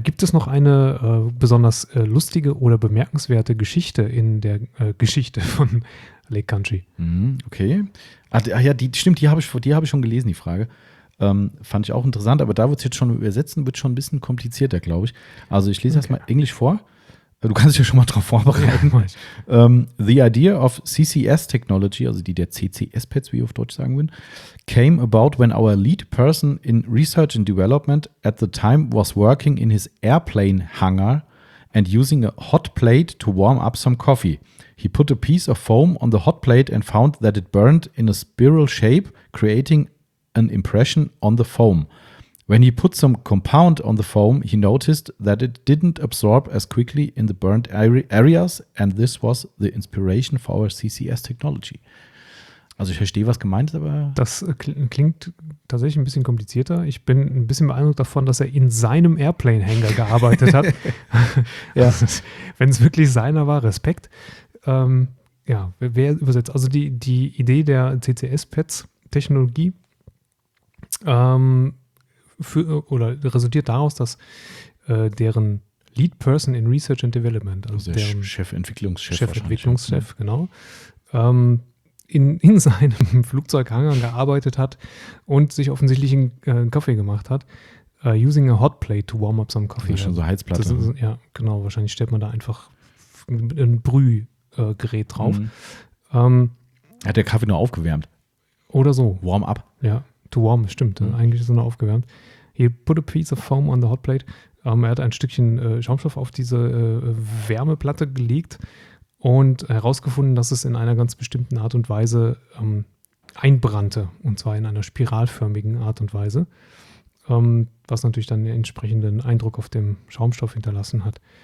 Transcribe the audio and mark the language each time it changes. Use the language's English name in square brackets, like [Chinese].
[German] Gibt es noch eine besonders lustige oder bemerkenswerte Geschichte in der Geschichte von Lake Country? Okay. Ach ja, die habe ich schon gelesen, die Frage. Fand ich auch interessant, aber da wird es jetzt schon übersetzen, wird schon ein bisschen komplizierter, glaube ich. Also ich lese erstmal Englisch vor. Du kannst dich ja schon mal drauf vorbereiten. [English] Ja, the idea of CCS technology, [German] also die der CCS-Pads, wie ich auf Deutsch sagen würde, [English] came about when our lead person in research and development at the time was working in his airplane hangar and using a hot plate to warm up some coffee. He put a piece of foam on the hot plate and found that it burned in a spiral shape, creating an impression on the foam. When he put some compound on the foam, he noticed that it didn't absorb as quickly in the burnt areas and this was the inspiration for our CCS technology. [German] Also ich verstehe, was gemeint ist, aber... Das klingt tatsächlich ein bisschen komplizierter. Ich bin ein bisschen beeindruckt davon, dass er in seinem Airplane-Hangar gearbeitet hat. Ja. Wenn es wirklich seiner war, Respekt. Ja, wer übersetzt? Also die Idee der CCS-Pads-Technologie oder resultiert daraus, dass deren Lead Person in Research and Development, also der Chefentwicklungschef, Genau, in seinem Flugzeughangar gearbeitet hat und sich offensichtlich einen Kaffee gemacht hat, [English] using a hot plate to warm up some coffee. [German] Das ist schon so Heizplatte. Das ist, ja, genau, wahrscheinlich stellt man da einfach ein Brühgerät drauf. Mhm. Hat der Kaffee nur aufgewärmt? Oder so. [English] Warm up. [German] Ja. [English] Too warm, [German] stimmt. Mhm. Eigentlich ist er nur aufgewärmt. [English] He put a piece of foam on the hot plate. [German] Er hat ein Stückchen Schaumstoff auf diese Wärmeplatte gelegt und herausgefunden, dass es in einer ganz bestimmten Art und Weise einbrannte. Und zwar in einer spiralförmigen Art und Weise. Was natürlich dann einen entsprechenden Eindruck auf dem Schaumstoff hinterlassen hat.